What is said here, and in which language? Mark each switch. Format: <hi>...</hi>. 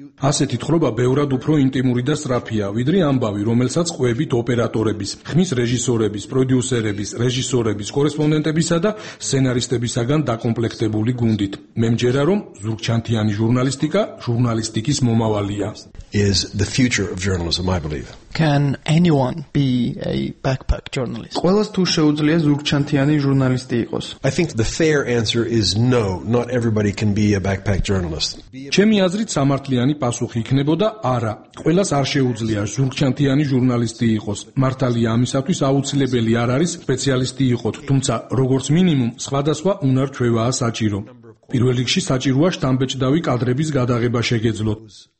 <ka>ასეთი თხრობა ბევრად უფრო ინტიმური და სწრაფია, ვიდრე ამბავი, რომელსაც ყვებით ოპერატორების, ხმის რეჟისორების, პროდიუსერების, რეჟისორების, კორესპონდენტებისა და სცენარისტებისაგან დაკომპლექტებული გუნდით. მე მჯერა, რომ ზურგჩანთიანი ჟურნალისტიკა ჟურნალისტიკის მომავალია.</ka> <en>Is the future of journalism, I believe. Can anyone be a backpack journalist?</en> <ka>ყველას თუ შეუძლია ზურგჩანთიანი ჟურნალისტი იყოს?</ka> <en>I think the fair answer is no, not everybody can be a backpack journalist.</en> <ka>ჩემი აზრით სამართლიანი პასუხი იქნებოდა არა. ყველას არ შეუძლია ზურგჩანთიანი ჟურნალისტი იყოს. მართალია, ამისათვის აუცილებელი არ არის სპეციალისტი იყოს, თუმცა როგორც მინიმუმ სხვადასხვა უნარ ჩვევაა საჭირო. პირველ რიგში საჭიროა შტამბეჭდავი კადრების გადაღება შეგეძლოთ.</ka>